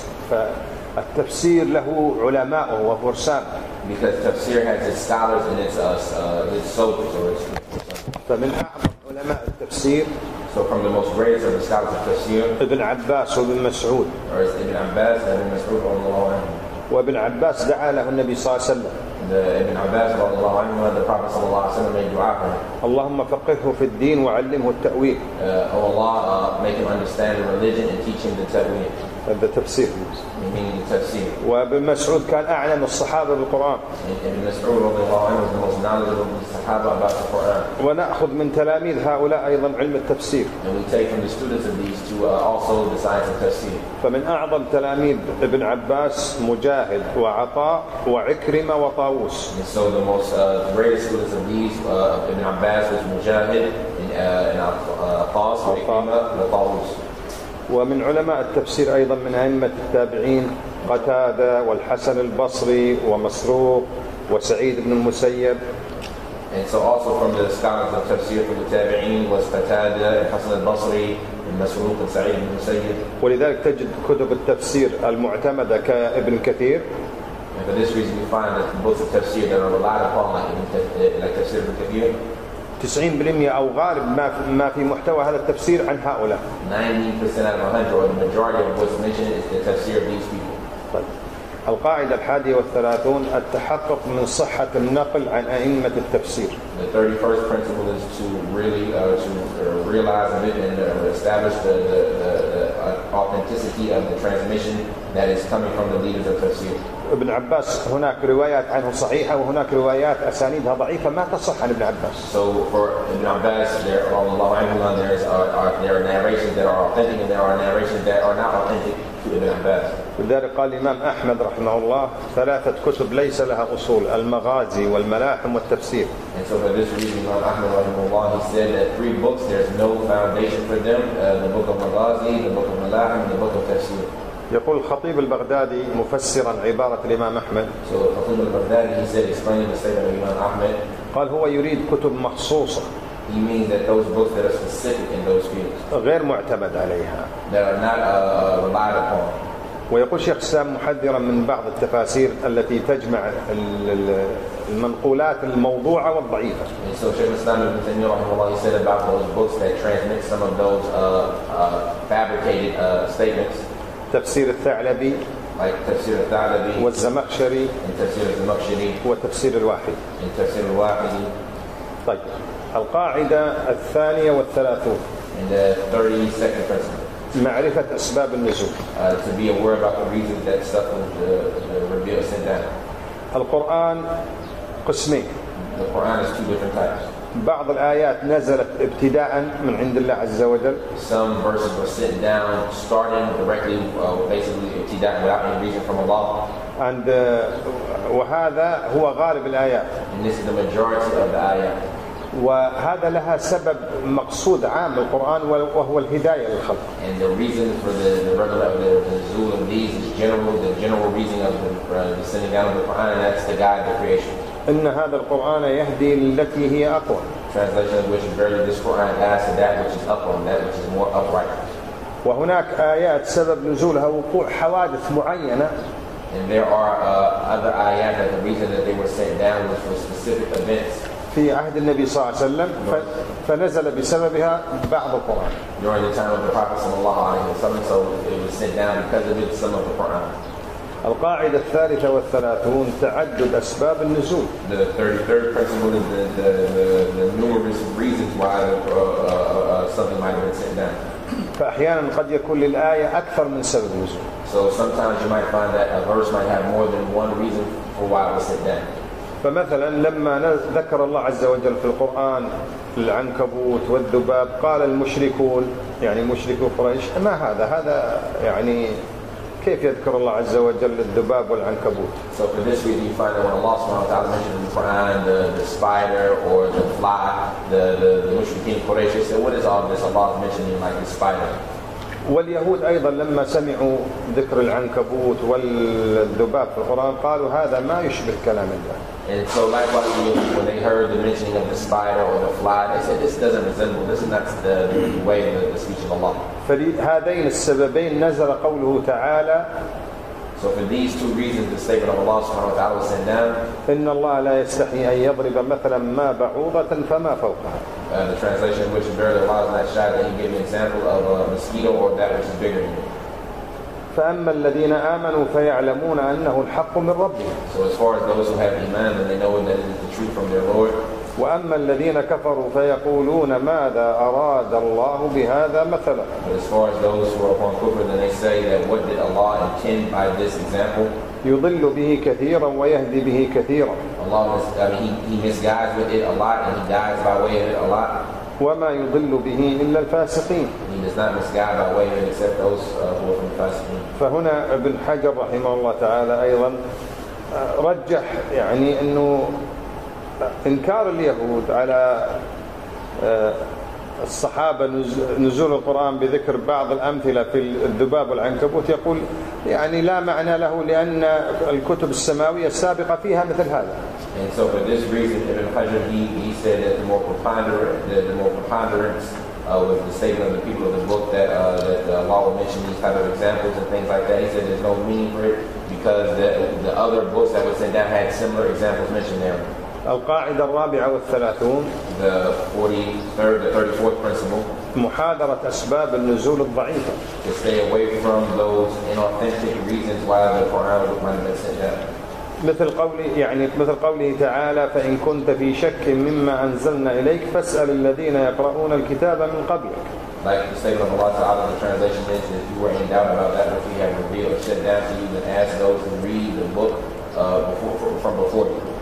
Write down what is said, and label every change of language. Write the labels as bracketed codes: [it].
[ar] فالتفسير له علماءه وفرسان. [en] Because tafsir has its scholars and its soldiers. [ar] فمن أعظم علماء التفسير [en] So from the most greatest of the scholars of Tafsir, Ibn Abbas and Ibn Mas'ud. Or is Ibn Abbas and Ibn Mas'ud [ar] رضي الله عنهم. وابن عباس دعا له النبي صلى الله عليه وسلم. [en] Ibn Abbas [ar] رضي الله عنه, [en] the Prophet [ar] صلى الله عليه وسلم [en] made dua for him. [ar] اللهم فقهه في الدين وعلمه التأويل. [en] Oh Allah, make him understand the religion and teach him the tafsir. [ar] التفسير. [en] Meaning the tafsir. [ar] وابن مسعود كان أعلم الصحابة بالقرآن. [en] Ibn Mas'ud [ar] رضي الله عنه [en] was the most knowledgeable of the Sahaba about the Quran. [ar] ونأخذ من تلاميذ هؤلاء أيضا علم التفسير. [en] And we take from the students of these two also the science of tafsir. [ar] فمن أعظم تلاميذ ابن عباس مجاهد وعطاء وعكرمة وطاووس. [en] And so the most greatest students of these ابن عباس was مجاهد and عطاس وعكرمة وطاووس. [ar] ومن علماء التفسير أيضا من أئمة التابعين قتادة والحسن البصري ومسروق وسعيد بن المسيب. [en] And so also from the scholars of tafsir from the tabi'in was Qatada, Hasan al-Basri, Masruq, and Sa'id ibn Musayyib. [ar] ولذلك تجد كتب التفسير المعتمدة كابن كثير. [en] And for this reason, you find that books of tafsir that are relied upon like tafsir ibn Kathir. [ar] 90% أو غالب ما في محتوى هذا التفسير عن هؤلاء. [en] 90% out of 100, or the majority of what's mentioned is the tafsir of these people. [ar] القاعدة 31 التحقق من صحة النقل عن أئمة التفسير. [en] The 31st principle is to really realize a bit and establish the authenticity of the transmission that is coming from the leaders of tafsir. [ar] ابن عباس هناك روايات عنه صحيحة وهناك روايات أسانيدها ضعيفة ما تصح عن ابن عباس. [en] So for Ibn Abbas, there are Allah Almighty, there are narrations that are authentic and there are narrations that are not authentic. [ar] لذلك قال الإمام أحمد رحمه الله ثلاثة كتب ليس لها أصول المغازي والملاحم والتفسير. [en] And so for this reason, Imam Ahmad [ar] رحمه الله, [en] he said that three books there's no foundation for them: the book of Maghazi, the book of Malahim, the book of Tafsir. [ar] يقول الخطيب البغدادي مفسرا عبارة الإمام أحمد. [en] So الخطيب البغدادي, he said explaining the statement of Imam Ahmad. [ar] قال هو يريد كتب مخصوصة. [en] He means that those books that are specific in those fields. [ar] غير معتمد عليها. [en] That are not relied upon. [ar] ويقول شيخ سام محذرا من بعض التفاسير التي تجمع المنقولات الموضوعة والضعيفة. [en] And so Sheikh Islam Ibn Taymiyyah [ar] رحمه الله, [en] he said about those books that transmit some of those fabricated statements. [ar] تفسير الثعلبي. [en] Like تفسير الثعلبي. [ar] والزمخشري. [en] And تفسير الزمخشري. [ar] وتفسير الواحد. [en] And تفسير الواحد. [ar] طيب. القاعدة 32. [en] And the 32nd principle. [ar] معرفة أسباب النزول. [en] To be aware about the reasons that stuff was revealed sent down. [ar] القرآن قسمين. [en] The Quran is two different types. [ar] بعض الآيات نزلت ابتداء من عند الله عز وجل. [en] Some verses were sent down starting directly, basically ابتداء without any reason from Allah. [ar] And وهذا هو غالب الآيات. [en] And this is the majority of the ayat. [ar] وهذا لها سبب مقصود عام القرآن وهو الهداية للخلق. [en] And the reason for the regular the nuzul of these is general, the general reason of the sending down of the Quran, and that's to guide the creation. [ar] إن هذا القرآن يهدي للتي هي أقوى. [en] Translation of which verily this Quran guides to that which is upper, that which is more upright. [ar] وهناك آيات سبب نزولها وقوع حوادث معينة. [en] And there are other ayat that the reason that they were sent down was for specific events. [ar] في عهد النبي صلى الله عليه وسلم فنزل بسببها بعض القرآن. [en] During the time of the Prophet [ar] صلى الله عليه وسلم, [en] so it was sent down because of it, some of the Quran. [ar] القاعدة 33 تعدد أسباب النزول. [en] The 33rd principle is the numerous reasons why something might have been sent down. [ar] فأحيانا قد يكون للآية أكثر من سبب نزول. [en] So sometimes you might find that a verse might have more than one reason for why it was sent down. [ar] فمثلا لما ذكر الله عز وجل في القرآن العنكبوت والذباب قال المشركون يعني مشركو قريش ما هذا هذا يعني كيف يذكر الله عز وجل الذباب والعنكبوت. [en] So for this reason you find that when Allah subhanahu wa ta'ala mentioned in the Quran the spider or the fly, the mushrikeen Quraysh, you say what is all this Allah mentioning like the spider. [ar] واليهود أيضا لما سمعوا ذكر العنكبوت والذباب في القرآن قالوا هذا ما يشبه كلام الله. [en] And so likewise when they heard the mentioning of the spider or the fly, they said this doesn't resemble, this is not the way of the speech of Allah. [ar] فلهذين السببين نزل قوله تعالى [en] So for these two reasons, the statement of Allah subhanahu wa ta'ala was sent down. [ar] إِنَّ اللَّهَ لَا يَسْتَحْيِ أَنْ يَضْرِبَ مَثَلًا مَا بَعُوضَةً فَمَا فَوْقَهَا. [en] The translation in which verily Allah is not shy that He gave an example of a mosquito or that which is bigger than it. [ar] فَأَمَّا الَّذِينَ آمَنُوا فَيَعْلَمُونَ أَنَّهُ الْحَقُّ مِنْ رَبِّهِمْ. [en] So as far as those who have iman, then they know that it is the truth from their Lord. [ar] وَأَمَّا الَّذِينَ كَفَرُوا فَيَقُولُونَ مَاذَا أَرَادَ اللَّهُ بِهَذَا مَثَلًا. [en] But as far as those who are upon kufr, then they say that what did Allah intend by this example? [ar] يُضِلُّ بِهِ كَثِيرًا وَيَهْدِي بِهِ كَثِيرًا. [en] Allah he misguides with it a lot and He guides by way of it a lot. [ar] وَمَا يُضِلُّ بِهِ إِلَّا الْفَاسِقِينَ. [en] He does not misguide by way of it except those who are from the fasiqeen. [ar] فهنا ابن حجر رحمه الله تعالى أيضا رجح يعني أنه إنكار اليهود على الصحابة نزول القرآن بذكر بعض الأمثلة في الذباب والعنكبوت يقول يعني لا معنى له لأن الكتب السماوية السابقة فيها مثل هذا. [en] And so for this reason, Ibn Hajar he said that the more preponderance was the statement of the people of the book that that Allah will mention these type of examples and things like that. He said there's no meaning for it because the other books that were sent down had similar examples mentioned there. [ar] القاعدة الرابعة والثلاثون [en] the 34th principle [ar] محاذرة أسباب النزول الضعيفة [en] to stay away from those inauthentic reasons why the Quran might have been sent down. [ar] مثل قوله تعالى فإن كنت في شك مما أنزلنا إليك فاسأل الذين يقرؤون الكتاب من قبلك. [en] Like the statement of Allah Ta'ala, the translation is that if you were in doubt about that which we have revealed or sent down to you, then ask those who read the book from before you.